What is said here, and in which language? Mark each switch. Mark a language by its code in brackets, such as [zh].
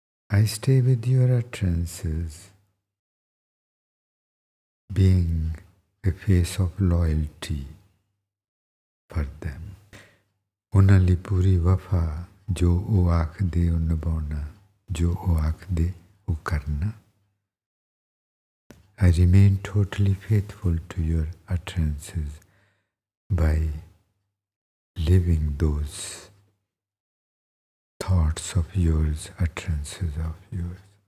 [en] I stay with your utterances, being a face of loyalty for them. [pa] ਉਹਨਾਂ ਲਈ ਪੂਰੀ ਵਫ਼ਾ ਜੋ ਉਹ ਆਖਦੇ ਉਹ ਨਿਭਾਉਣਾ ਜੋ ਉਹ ਆਖਦੇ ਉਹ ਕਰਨਾ [en] I remain totally faithful to your utterances by living those thoughts of yours, utterances of yours.